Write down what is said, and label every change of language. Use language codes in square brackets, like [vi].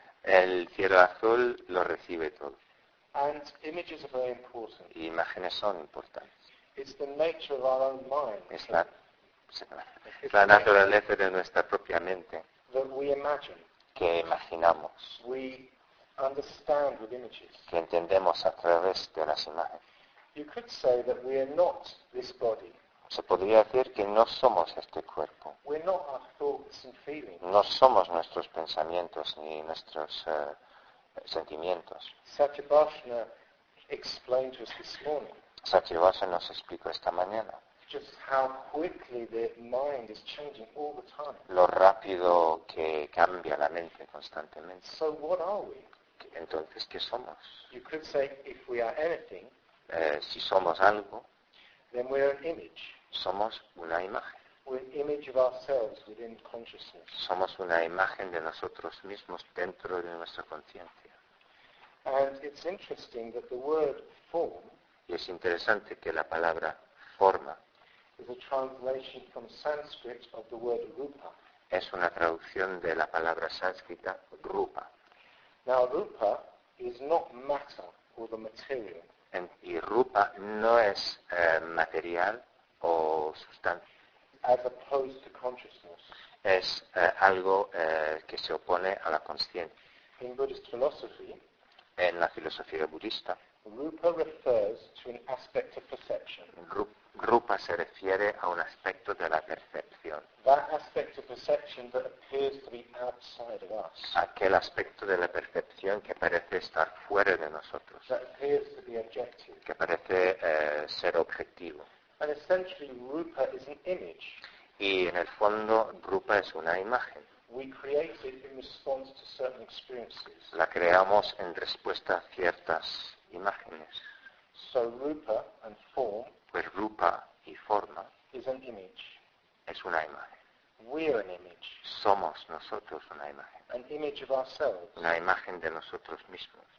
[es] El cielo azul lo recibe todo. [en] And images are very important. [es] Y imágenes son importantes. [en] It's the nature of our own mind. [es] Es la, la naturaleza de nuestra propia mente. [en] That we imagine. [es] Que imaginamos. [en] We understand with images. [es] Que entendemos a través de las imágenes. [en] You could say that we are not this body. [es] Se podría decir que no somos este cuerpo. [en] We're not our thoughts and feelings. [es] No somos nuestros pensamientos ni nuestros sentimientos. [en] Satyabhasana explained to us this morning. [es] Satyabhasana nos explicó esta mañana. [en] Just how quickly the mind is changing all the time. [es] Lo rápido que cambia la mente constantemente. [en] So what are we? [es] Entonces, ¿qué somos? [en] You could say, if we are anything, [es] si somos algo, [en] then we're an image. [es] Somos una imagen. [en] We're an image of ourselves within consciousness. [es] Somos una imagen de nosotros mismos dentro de nuestra conciencia. [en] And it's interesting that the word form, [es] y es interesante que la palabra forma, [en] is a translation from Sanskrit of the word rupa. [es] Es una traducción de la palabra sánscrita rupa. [en] Now rupa is not matter or the material. [es] Y rupa no es material o sustancia. [en] As opposed to consciousness. [es] Es algo que se opone a la consciencia. [en] In Buddhist philosophy, [es] en la filosofía budista, [en] rupa refers to an aspect of perception. [es] Rupa se refiere a un aspecto de la percepción. [en] That aspect of perception that appears to be outside of us. [es] Aquel aspecto de la percepción que parece estar fuera de nosotros. [en] That appears to be objective. [es] Que parece ser objetivo. [en] And essentially, rupa is an image. [es] Y en el fondo, rupa es una imagen. [en] We create it in response to certain experiences. [es] La creamos en respuesta a ciertas imágenes. [en] So rupa and form. [es] Pues rupa y forma [en] is an image. [es] Es una imagen. [en] We are an image. [es] Somos nosotros una imagen. [en] An image of ourselves. [es] Una imagen de nosotros mismos.